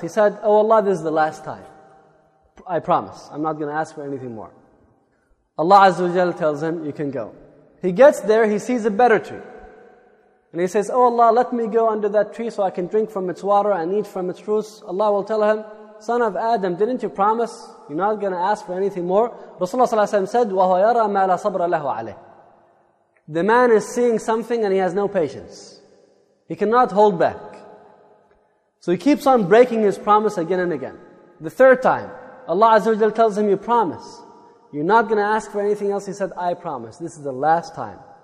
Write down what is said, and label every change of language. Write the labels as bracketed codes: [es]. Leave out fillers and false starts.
[en] He said, oh Allah, this is the last time. I promise, I'm not going to ask for anything more. Allah Azza wa Jal tells him, you can go. He gets there, he sees a better tree. And he says, oh Allah, let me go under that tree so I can drink from its water and eat from its fruits. Allah will tell him, son of Adam, didn't you promise you're not going to ask for anything more? [ar] Rasulullah ﷺ [en] said, [ar] وَهُوَ يَرَى مَا لَا صَبْرَ لَهُ عَلَيْهِ. [en] The man is seeing something and he has no patience. He cannot hold back. So he keeps on breaking his promise again and again. The third time, Allah Azza wa Jal tells him, you promise. You're not going to ask for anything else. He said, I promise. This is the last time.